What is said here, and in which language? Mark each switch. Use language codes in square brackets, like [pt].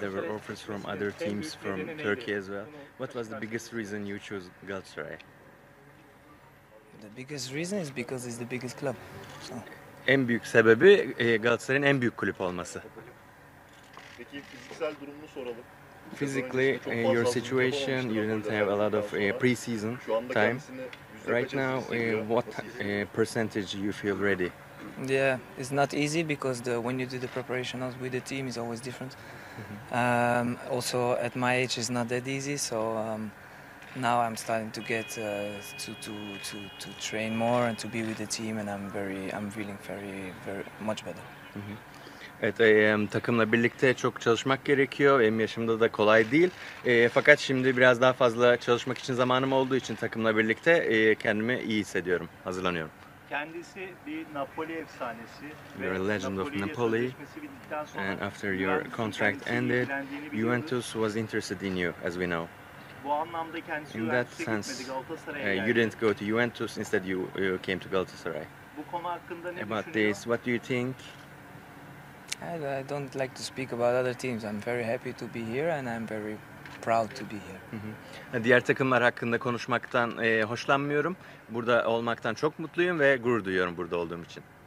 [en] There were offers from other teams from Turkey as well. What was the biggest reason you chose Galatasaray? The biggest reason is because it's the biggest club. [tr] En büyük sebebi Galatasaray'ın en büyük kulüp olması. Peki fiziksel durumunu soralım. [en] Physically, your situation, you didn't have a lot of pre-season time. Right now, what percentage you feel ready? Yeah, it's not easy because when you do the preparation with the team is always different. Also, at my age, it's not that easy. So now I'm starting to get to train more and to be with the team, and I'm feeling very much better. [tr] Evet, takımla birlikte çok çalışmak gerekiyor. Benim yaşımda da kolay değil. Fakat şimdi biraz daha fazla çalışmak için zamanım olduğu için takımla birlikte kendimi iyi hissediyorum, hazırlanıyorum. Kendisi bir Napoli efsanesi. [en] You're a legend of Napoli. And after your contract ended, Juventus was interested in you, as we know. [tr] Bu anlamda kendisi Juventus'a gitmedi, Galatasaray'a geldi. [en] You didn't go to Juventus, instead you came to Galatasaray. [tr] Bu konu hakkında ne [en] about [tr] düşünüyor? [en] About this, what do you think? I don't like to speak about other teams. I'm very happy to be here and I'm very proud to be here. [tr] Diğer takımlar hakkında konuşmaktan hoşlanmıyorum. Burada olmaktan çok mutluyum ve gurur duyuyorum burada olduğum için.